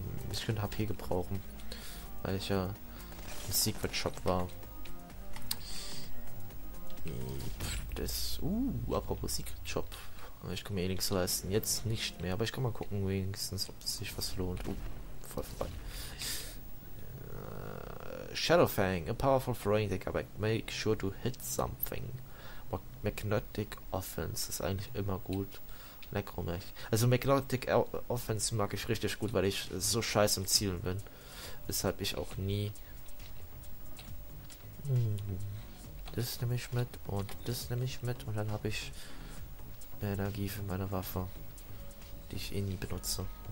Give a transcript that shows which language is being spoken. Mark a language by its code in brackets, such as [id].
[de] Ich könnte HP gebrauchen. Weil ich ja im Secret Shop war. Das. Apropos Secret Shop. Ich kann mir eh nichts leisten. Jetzt nicht mehr. Aber ich kann mal gucken, wenigstens, ob sich was lohnt. Voll vorbei. [en] Shadowfang, a powerful throwing dagger, but make sure to hit something. [de] Magnetic Offense ist eigentlich immer gut. Necromech. Also Magnetic Offense mag ich richtig gut, weil ich so scheiße im Zielen bin. Weshalb ich auch nie... Das nehme ich mit und das nehme ich mit und dann habe ich mehr Energie für meine Waffe, die ich eh nie benutze.